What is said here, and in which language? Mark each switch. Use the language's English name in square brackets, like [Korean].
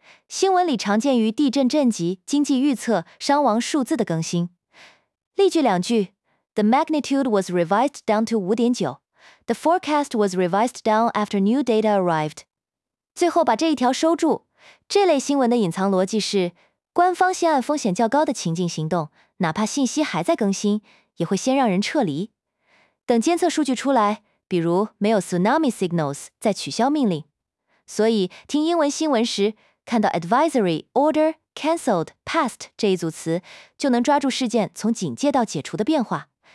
[Chinese] 新闻里常见于地震震级、经济预测、伤亡数字的更新。 [English] 例句两句 ：The magnitude was revised down to 5.9. The forecast was revised down after new data arrived. [Chinese] 最后把这一条收住。这类新闻的隐藏逻辑是：官方先按风险较高的情境行动，哪怕信息还在更新，也会先让人撤离。等监测数据出来，比如没有 tsunami signals， 再取消命令。所以听英文新闻时，看到 advisory, order, cancelled, passed 这一组词，就能抓住事件从警戒到解除的变化。